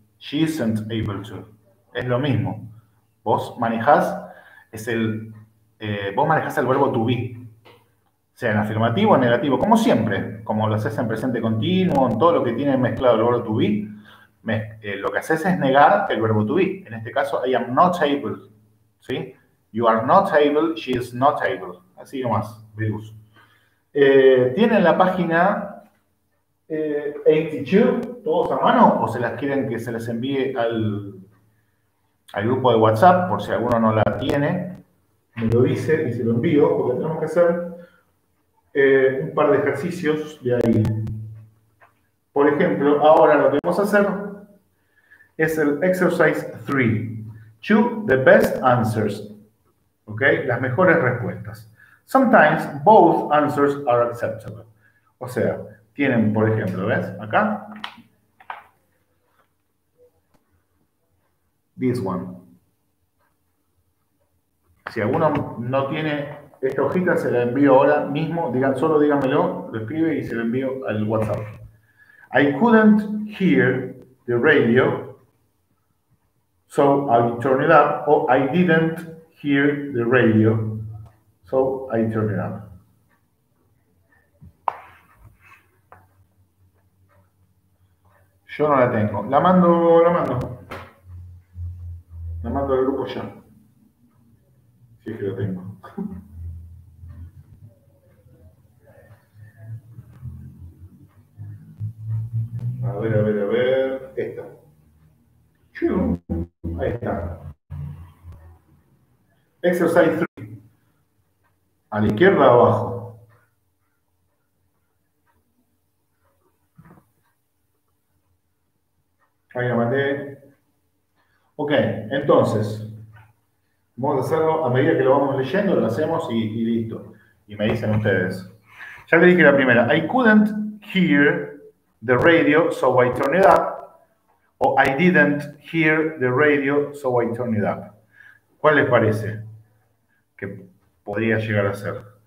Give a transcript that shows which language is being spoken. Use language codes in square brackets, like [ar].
[en] She isn't able to. [es] Es lo mismo. Vos manejás el verbo to be. Sea en afirmativo o en negativo, como siempre, como lo haces en presente continuo, en todo lo que tiene mezclado el verbo to be, lo que haces es negar el verbo to be. En este caso, [en] I am not able. [es] ¿Sí? [en] You are not able, she is not able. [es] Así nomás, virus. ¿Tienen la página 82, todos a mano, o se las quieren que se les envíe al grupo de WhatsApp, por si alguno no la tiene? Me lo dice y se lo envío, porque tenemos que hacer un par de ejercicios de ahí. Por ejemplo, ahora lo que vamos a hacer es el exercise 3. [en] Two, the best answers. ¿Ok? [es] Las mejores respuestas. [en] Sometimes both answers are acceptable. [es] O sea, tienen, por ejemplo, ¿ves? Acá. [en] This one. [es] Si alguno no tiene esta hojita, se la envío ahora mismo. Solo dígamelo, lo escribe y se lo envío al WhatsApp. [en] I couldn't hear the radio, so I turned it up. O I didn't hear the radio, so I turned it up. [es] Yo no la tengo. La mando al grupo ya. Sí, que lo tengo. A ver. Esta. ¡Chum! Ahí está. Exercise 3. ¿A la izquierda o abajo? Ahí la mandé. Ok, entonces, vamos a hacerlo a medida que lo vamos leyendo, lo hacemos y listo. Y me dicen ustedes. Ya le dije la primera. [en] I couldn't hear the radio, so I turned it up. O I didn't hear the radio, so I turned it up. [es] ¿Cuál les parece que podría llegar a ser?